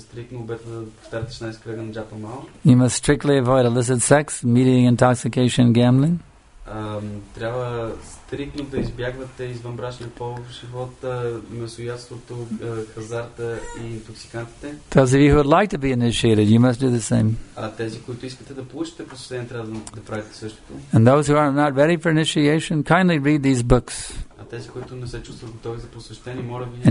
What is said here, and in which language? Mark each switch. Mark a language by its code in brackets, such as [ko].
[en] You must strictly avoid illicit sex, meeting, intoxication, and gambling. [bg] Трябва стриктно да избягвате извънбрачния полов живот, месоядството, хазарта и интоксикантите. [en] Those of you who would like to be initiated, you must do the same. [bg] А тези, които искате да получите посещение, трябва да правите същото. [en] And those who are not ready for initiation, kindly read these books. [bg] А тези, които не се чувстват готови за посещение, моля ви...